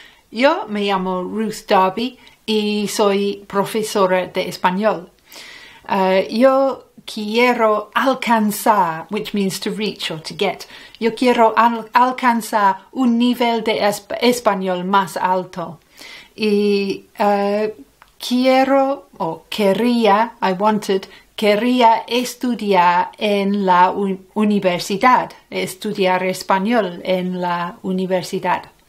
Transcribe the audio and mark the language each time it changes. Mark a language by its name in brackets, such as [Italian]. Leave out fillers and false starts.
[Spanish] Yo me llamo Ruth Darby y soy profesora de español. Yo quiero alcanzar, [English] which means to reach or to get. [Spanish] Yo quiero alcanzar un nivel de español más alto. Y quiero, o quería, [English] I wanted, [Spanish] quería estudiar en la universidad, estudiar español en la universidad.